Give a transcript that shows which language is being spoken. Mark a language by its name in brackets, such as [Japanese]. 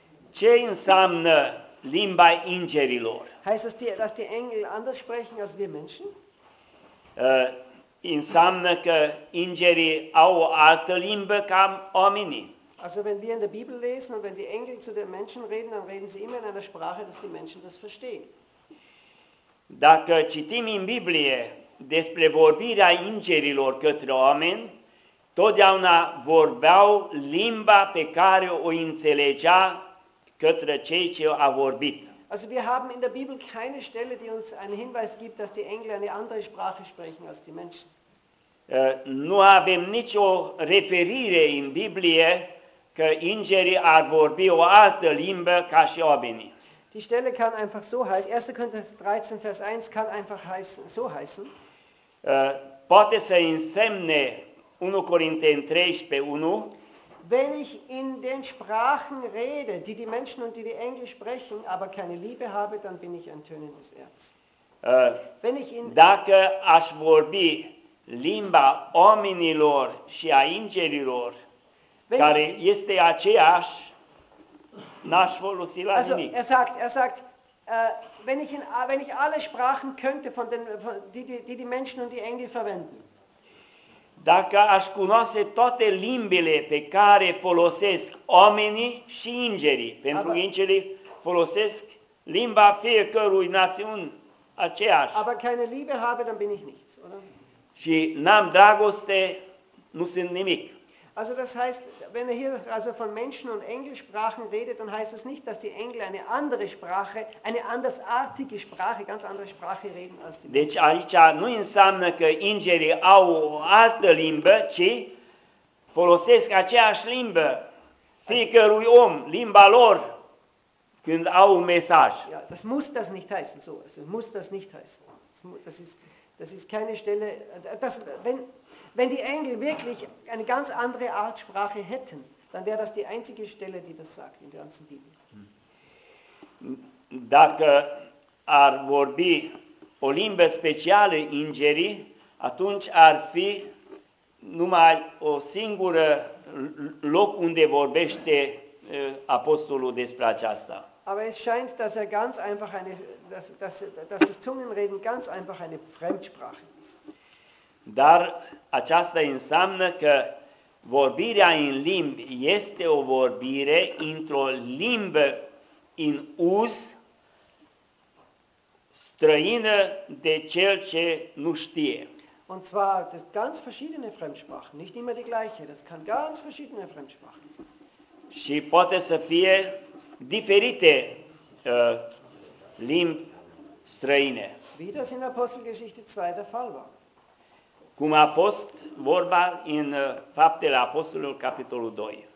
[Romanian] Ce înseamnă limba îngerilor? [German] Heißt das, dass die Engel anders sprechen als wir Menschen? [Romanian] Înseamnă că îngerii au o altă limbă ca oamenii. [German] Also wenn wir in der Bibel lesen und wenn die Engel zu den Menschen reden, dann reden sie immer in einer Sprache, dass die Menschen das verstehen. [Romanian] Dacă citim în Biblie despre vorbirea îngerilor către oameni, totdeauna vorbeau limba pe care o înțelegea către cei ce a vorbit. [German] Also wir haben in der Bibel keine Stelle, die uns einen Hinweis gibt, dass die Engel eine andere Sprache sprechen als die Menschen. [Romanian] Nu avem nicio referire în Biblie că îngerii ar vorbi o altă limbă ca și oamenii. [German] Die Stelle kann einfach so heißen. 1. Korinther 13, Vers 1 kann einfach so heißen. [Romanian] Poate să însemne 1 Corinteni 13, 1. [German] Wenn ich in den Sprachen rede, die die Menschen und die Engel sprechen, aber keine Liebe habe, dann bin ich ein tönendes Erz. [Romanian] Dacă aș vorbi limba oamenilor și a îngerilor, care este aceeași, n-aș folosi la nimic. [German] Also, er sagt, wenn ich alle Sprachen könnte von den die Menschen und die Engel verwenden. [Romanian] Dacă aș cunoaște toate limbile pe care folosesc oamenii și îngerii, pentru că îngerii folosesc limba fiecărui națiuni aceeași. [German] Aber keine Liebe habe, dann bin ich nichts, oder? [Romanian] Și n-am dragoste, nu sunt nimic. [German] Also das heißt, wenn er hier also von Menschen und Engelsprachen redet, dann heißt es nicht, dass die Engel eine andere Sprache, eine andersartige Sprache, ganz andere Sprache reden als die Menschen. [Romanian] Deci aici nu înseamnă că îngerii au o altă limbă, ci folosesc aceeași limbă fiecărui om, limba lor, când au un mesaj. [German] Ja, das muss das nicht heißen so. Also muss das nicht heißen. Das ist keine Stelle, das wenn die Engel wirklich eine ganz andere Art Sprache hätten, dann wäre das die einzige Stelle, die das sagt in der ganzen Bibel. [Romanian] Dacă ar vorbi o limbă specială îngerii, atunci ar fi numai o singură loc unde vorbește apostolul despre aceasta. [German] Aber es scheint, dass er ganz einfach eine dass das Zungenreden ganz einfach eine Fremdsprache ist. [Romanian] Dar aceasta înseamnă că vorbirea în limbi este o vorbire într-o limbă în uz străină de cel ce nu știe. [German] Und zwar ganz verschiedene Fremdsprachen, nicht immer die gleiche, das kann ganz verschiedene Fremdsprachen sein. [Romanian] Și poate să fie diferite limbi străine. [German] Wie das in Apostelgeschichte 2 der Fall war. [Romanian] Cum a fost vorba în Faptele Apostolilor, capitolul 2.